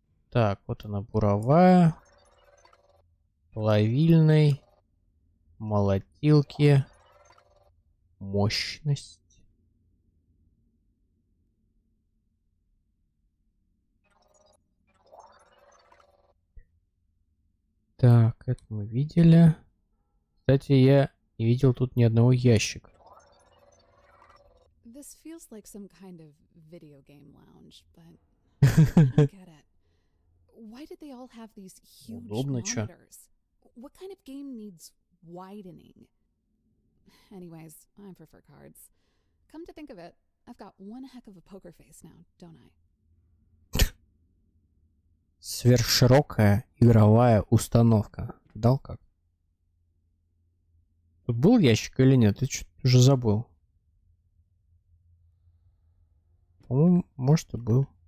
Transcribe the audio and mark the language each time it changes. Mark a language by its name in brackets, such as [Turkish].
[Russian] Так, вот она буровая, плавильной, молотилки, мощность. Так, это мы видели. Кстати, я не видел тут ни одного ящика. [English] This feels like some kind of video game lounge, but I get it. Why did they all have these huge monitors? What kind of game needs widening? Anyways, I prefer cards. Come to think of it, I've got one heck of a poker face now, don't I? [Russian] Сверхширокая игровая установка. Дал как? Тут был ящик или нет? Ты что-то уже забыл. По-моему, может и был.